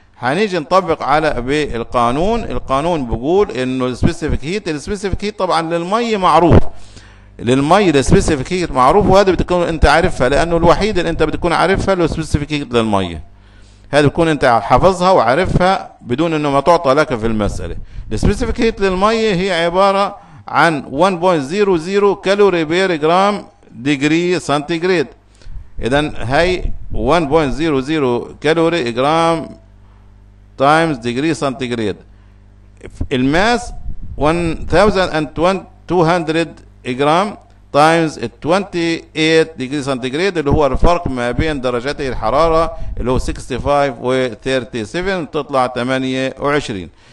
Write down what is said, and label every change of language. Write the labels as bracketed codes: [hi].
[ar] هنيجي نطبق على بالقانون، القانون بيقول انه specific heat، specific heat طبعا للمي معروف، للمي specific heat معروف، وهذا بتكون انت عارفها لانه الوحيد اللي انت بتكون عارفها له specific heat للمي، هذا بتكون انت حافظها وعارفها بدون انه ما تعطى لك في المسألة. [en] specific heat [ar] للمي هي عبارة عن [en] 1.00 calorie per gram degree centigrade. [ar] إذن هاي 1.00 كالوري جرام تايمز ديجري سنتيجريد، الماس 1200 جرام تايمز 28 ديجري سنتيجريد، اللي هو الفرق ما بين درجات الحرارة اللي هو 65 و 37، تطلع 28.